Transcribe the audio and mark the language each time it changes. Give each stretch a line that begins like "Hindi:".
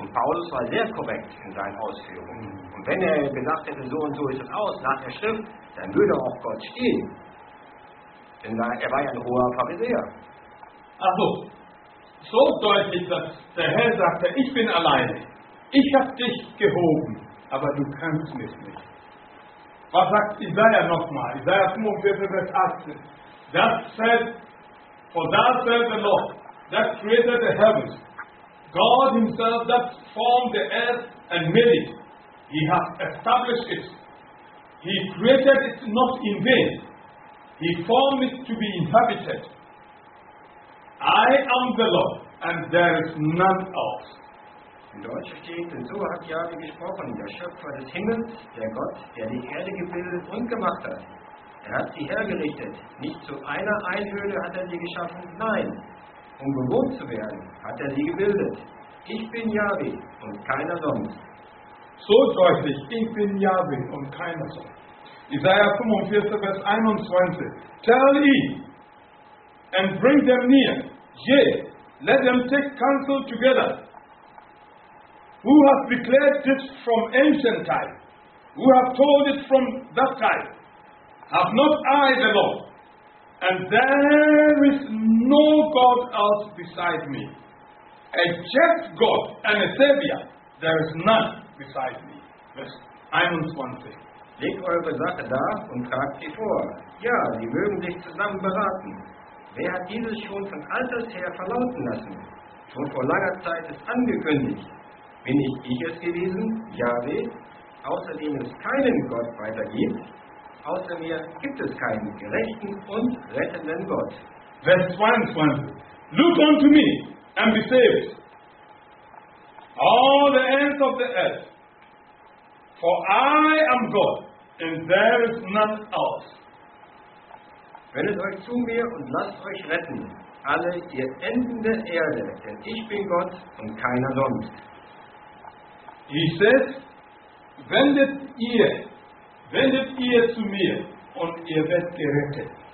German: Und Paulus war sehr korrekt in seinen Ausführungen. Mhm. Und wenn er gesagt hätte, so und so ist es aus, nach der Schrift, dann würde auch Gott stehen. Denn er war ja ein hoher Pharisäer. Also, so deutlich, dass der Herr sagte, ich bin allein. Ich habe dich gehoben, aber du kannst mich nicht. Was sagt Jesaja nochmal? Jesaja 45, Vers 18.
English: That said, for that said the Lord, that created the heavens. God himself that formed the earth and made it. He has established it. He created it not in vain. He formed it to be inhabited. I am the Lord, and there is none else.
German: In Deutsch steht, denn so hat Jahwe gesprochen, der Schöpfer des Himmels, der Gott, der die Erde gebildet und gemacht hat. Er hat sie hergerichtet. Nicht zu einer Einhöhle hat er sie geschaffen, nein. Um bewohnt zu werden, hat er sie gebildet. Ich bin Jahwe und keiner sonst. So deutlich, ich bin Jahwe und keiner sonst. Jesaja 45, Vers 21.
English: Tell ye and bring them near. Yea, let them take counsel together. Who hath declared this from ancient time? Who hath told it from that time? Have not I the Lord? And there is no God else beside me. A just God and a Savior, there is none beside me.
German: Vers 21. Legt eure Sache dar und tragt sie vor. Ja, sie mögen sich zusammen beraten. Wer hat dieses schon von alters her verlauten lassen? Schon vor langer Zeit ist angekündigt. Bin ich es gewesen, Jahwe, außer dem es keinen Gott weiter gibt, außer mir gibt es keinen gerechten und rettenden Gott. Vers 22.
English: Look unto me and be saved, all the ends of the earth, for I am God, and there is none else.
German: Wendet euch zu mir und lasst euch retten, alle ihr Enden der Erde, denn ich bin Gott und keiner sonst.
English: He says,
German: wendet ihr zu mir und ihr werdet gerettet.